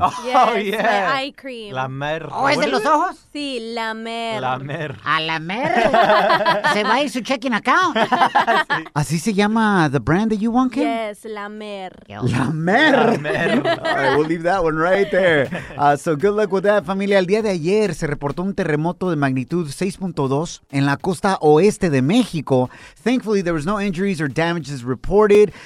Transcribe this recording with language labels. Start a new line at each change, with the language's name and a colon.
English: Oh, yes. My eye cream. La mer.
Spanish: ¿Oh, es de los ojos? Sí, la mer. La mer. A la mer. Se va a ir su
English: checking account.
Spanish: Sí. ¿Así se llama
English: the brand that you want, Kim? Yes, la mer. La mer. La mer. All right, we'll leave that one right there. So good luck with that, familia.
Spanish: El día de ayer se reportó un terremoto de magnitud 6.2 en la costa oeste de México.
English: Thankfully, there was no injuries or damages reported.